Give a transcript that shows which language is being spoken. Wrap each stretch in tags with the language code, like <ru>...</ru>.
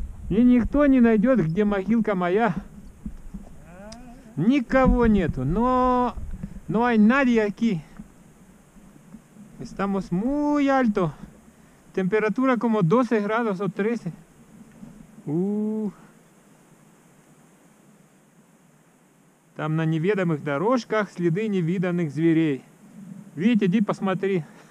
<ru>И никто не найдет, где могилка моя. Никого нету.</ru> <es>Но hay nadie aquí. Estamos muy alto. Температура como 12 grados o 13.</es> <ru>Там на неведомых дорожках следы невиданных зверей. Видите, иди посмотри.</ru>